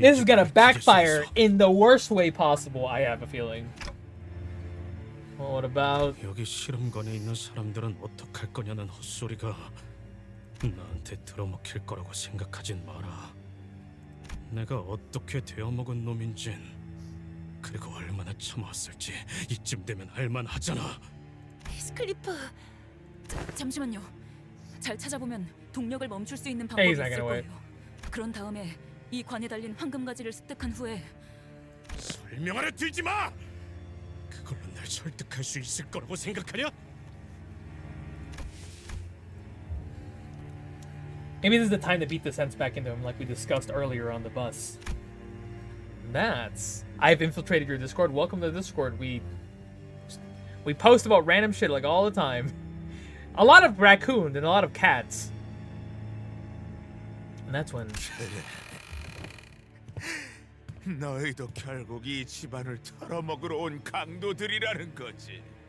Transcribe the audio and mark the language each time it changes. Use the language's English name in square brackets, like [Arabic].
[English] This is gonna backfire in the worst way possible. I have a feeling. What about [Korean] 여기 실험관에 있는 사람들은 어떡할 거냐는 헛소리가 나한테 들어먹힐 거라고 생각하진 마라. 내가 어떻게 되어먹은 놈인진 그리고 얼마나 참아왔을지 이쯤 되면 알만하잖아. 히스클리프, 잠시만요. 잘 찾아보면 동력을 멈출 수 있는 방법이 있을 거예요. 그런 다음에 이 관에 달린 황금 가지를 습득한 후에 설명하러 들지 마. 그걸로 날 설득할 수 있을 거라고 생각하냐? [English] Maybe this is the time to beat the sense back into him like we discussed earlier on the bus. That's... I've infiltrated your Discord. Welcome to Discord. We post about random shit like all the time. A lot of raccoons and a lot of cats. And that's when... [Korean] 너희도 결국 이 집안을 털어먹으러 온 강도들이라는 거지.